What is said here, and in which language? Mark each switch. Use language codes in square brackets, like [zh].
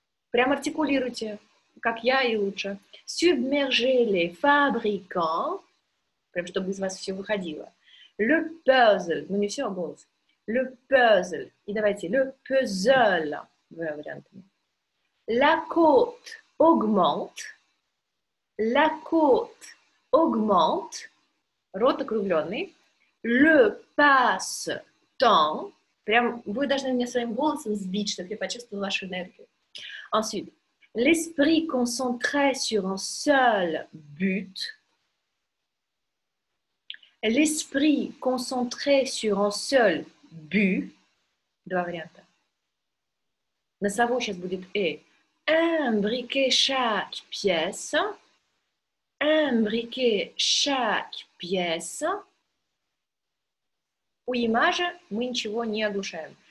[ru] Прямо артикулируйте, как я и лучше. [fr] Submerger les fabricants. [ru] Прям чтобы из вас все выходило. [fr] Le puzzle, [ru] ну не все, а голос. [fr] Le puzzle, [ru] и давайте, le puzzle, два варианта. [fr] La cote augmente, la cote augmente, [ru] рот округленный. [fr] Le passe-temps, [ru] прям вы должны меня своим голосом сбить, чтобы я почувствовала вашу энергию. [fr] Ensuite, l'esprit concentré sur un seul but. L'esprit concentré sur un seul but. [ru] Два варианта. Носовой сейчас будет «э». [fr] Imbriquer chaque pièce. Imbriquer chaque pièce. [ru] У имажа мы ничего не оглушаем.